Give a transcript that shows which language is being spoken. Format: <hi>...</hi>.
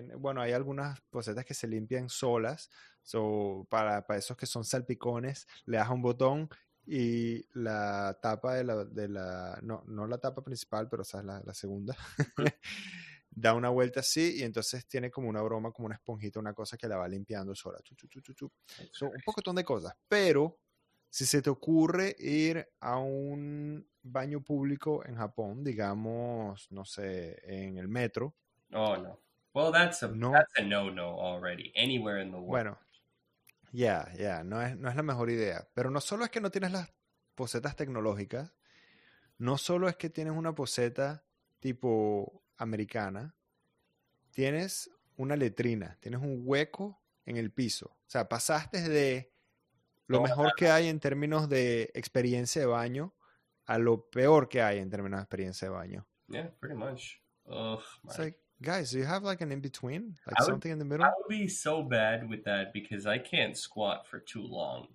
<es>Bueno, hay algunas pocetas que se limpian solas. So, para esos que son salpicones, le das un botón y la tapa no, no la tapa principal, pero o sea, la segunda, da una vuelta así y entonces tiene como una broma, como una esponjita, una cosa que la va limpiando sola. Chu, chu, chu, chu.</es> <en>That's</en> <es>So, un</es> <en>crazy.</en> <es>pocotón de cosas. Pero, si se te ocurre ir a un baño público en Japón, digamos, no sé, en el metro,</es> <en>Oh no. Well, that's a no-no already, anywhere in the world.</en> <es>Bueno, ya, no es la mejor idea. Pero no solo es que no tienes las pocetas tecnológicas, no solo es que tienes una poceta tipo americana, tienes una letrina, tienes un hueco en el piso. O sea, pasaste de lo mejor que hay en términos de experiencia de baño a lo peor que hay en términos de experiencia de baño.</es> <en>Yeah, pretty much. It's like, guys, do you have like an in-between? Like something in the middle? I would be so bad with that because I can't squat for too long.</en>